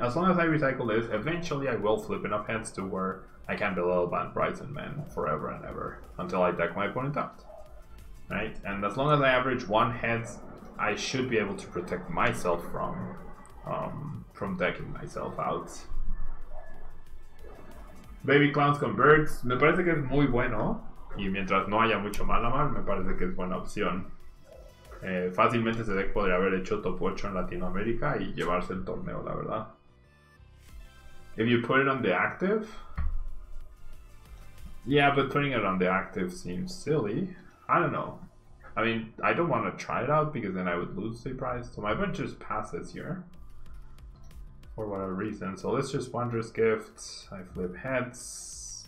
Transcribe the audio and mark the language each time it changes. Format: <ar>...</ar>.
<en>As long as I recycle this, eventually I will flip enough heads to where I can Bellelba and Brycen-Man forever and ever, until I deck my opponent out, right? And as long as I average one heads, I should be able to protect myself from decking myself out.</en> <es>Baby clowns converts, me parece que es muy bueno, y mientras no haya mucho mal a mal, me parece que es buena opción. Fácilmente ese deck podría haber hecho top 8 en Latinoamérica y llevarse el torneo, la verdad.</es> <en>If you put it on the active... Yeah, but putting it on the active seems silly. I don't know. I mean, I don't want to try it out because then I would lose the prize. So my bunch just passes here. For whatever reason. So let's just Wondrous Gift. I flip heads.</en>